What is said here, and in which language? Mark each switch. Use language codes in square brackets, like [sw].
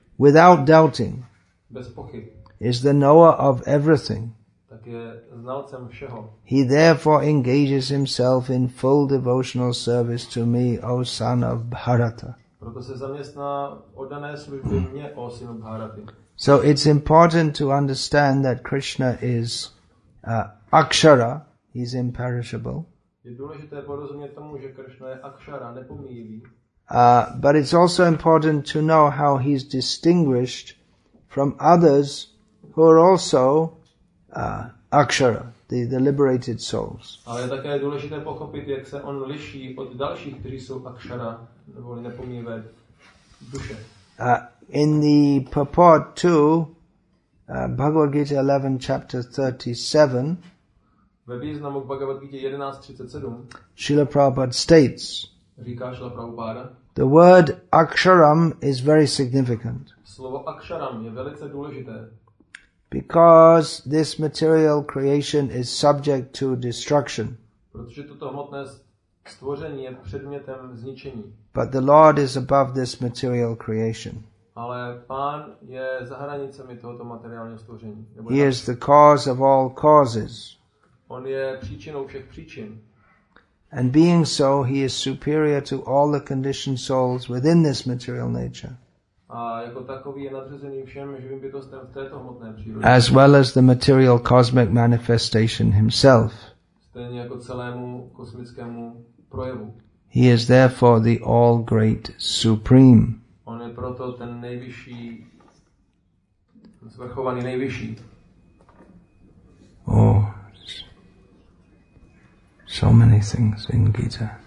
[en] without doubting, [cs] bez pochyb, [en] is the knower of everything. [cs] Tak je znalcem všeho. [en] He therefore engages himself in full devotional service to me, O son of Bharata. [cs] Proto se zaměstná oddané služby mě, O synu Bharaty. [en] So it's important to understand that Krishna is akshara, he's imperishable. [cs] Je důležité porozumět tomu, že Krishna je akshara, nepomíjivý. [en] But it's also important to know how he's distinguished from others who are also akshara, the liberated souls. [cs] Ale je také důležité pochopit, jak se on liší od dalších, kteří jsou akshara, nebo nepomíjivé duše. [en] In the purport to Bhagavad Gita 11, chapter 37, [cs] ve významu Bhagavad Gita 11:37, [en] Srila Prabhupada states, [cs] říká Srila Prabhupada, [en] the word aksharam is very significant. [cs] Slovo aksharam je velice důležité. [en] Because this material creation is subject to destruction. [cs] Protože toto hmotné stvoření je předmětem zničení. [en] But the Lord is above this material creation. [cs] Ale pán je za hranicemi tohoto materiálního stvoření. [en] He is the cause of all causes. [cs] On je příčinou všech příčin. [en] And being so, he is superior to all the conditioned souls within this material nature. [cs] A jako takový je nadřazený všem živým bytostem v této hmotné přírodě. [en] As well as the material cosmic manifestation himself. [cs] Stejně jako celému kosmickému projevu. [en] He is therefore the all great supreme. [cs] On je proto ten nejvyšší, zvrchovaný nejvyšší. [en] Oh, so many things in Gita.